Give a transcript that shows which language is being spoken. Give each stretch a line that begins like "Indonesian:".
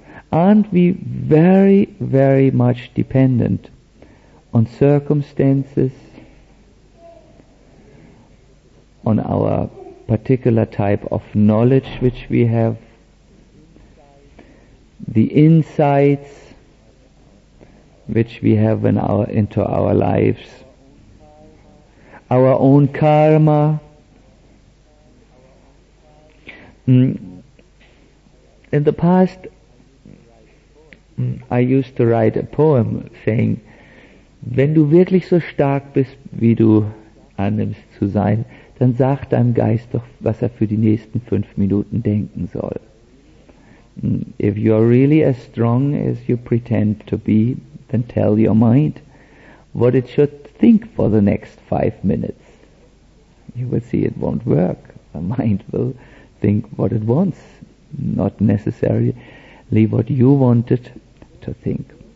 English: Aren't we very, very much dependent on circumstances, on our particular type of knowledge which we have, the insights which we have into our lives, our own karma? In the past, I used to write a poem saying,
German: wenn du wirklich so stark bist, wie du annimmst zu sein, dann sag deinem Geist doch, was für die nächsten 5 Minuten denken soll.
English: If you are really as strong as you pretend to be, then tell your mind what it should think for the next 5 minutes. You will see it won't work. The mind will think what it wants, not necessarily what you wanted to think.